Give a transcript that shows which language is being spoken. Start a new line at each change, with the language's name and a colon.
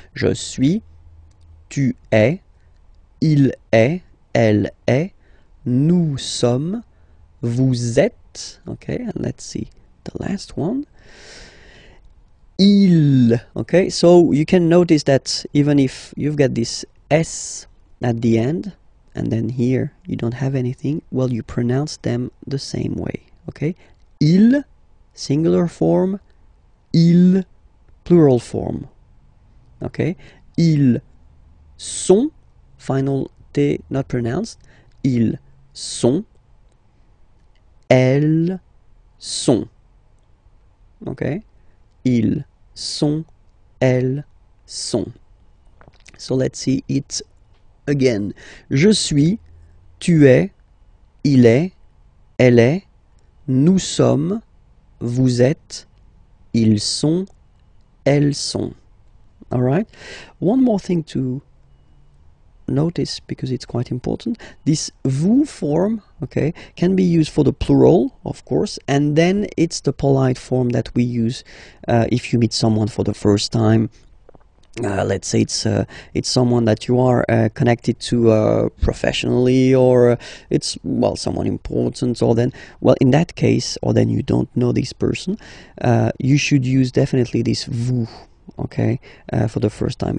French: Je suis, tu es, il est, elle est, nous sommes, vous êtes.
English: Okay, and let's see the last one. Il, okay, so you can notice that even if you've got this S at the end, and then here you don't have anything, well, you pronounce them the same way, okay? Il, singular form, il, plural form, okay?
French: Ils sont,
English: final T not pronounced,
French: ils sont, elles sont, okay? Ils sont, elles sont.
English: So let's see it again.
French: Je suis, tu es, il est, elle est, nous sommes, vous êtes, ils sont, elles sont.
English: All right? One more thing to notice, because it's quite important. This vous form, okay, can be used for the plural, of course, and then it's the polite form that we use if you meet someone for the first time. Let's say it's someone that you are connected to professionally, or it's, well, someone important, or then, well, in that case, or then you don't know this person, you should use definitely this vous, okay, for the first time.